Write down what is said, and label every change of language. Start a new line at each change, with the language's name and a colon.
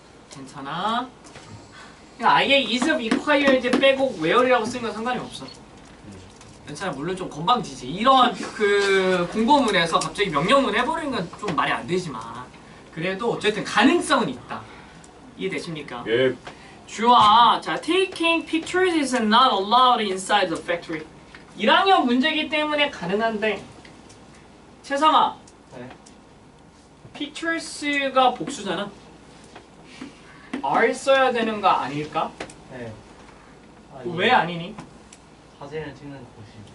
Korean: 괜찮아? 아예
English: is required
Korean: 빼고 wear이라고 쓰는 건 상관이 없어. 괜찮아. 물론 좀 건방지지. 이런 그 공고문에서 갑자기 명령문 해버리는 건 좀 말이 안 되지만 그래도 어쨌든 가능성은 있다. 이해되십니까? 예.
English: 주아, 자, taking pictures is not allowed inside the factory.
Korean: 1학년 문제이기 때문에 가능한데 최상아. 네. pictures가 복수잖아. are 써야 되는 거 아닐까? 네. 아니, 왜 아니니? 사진을 찍는 곳이.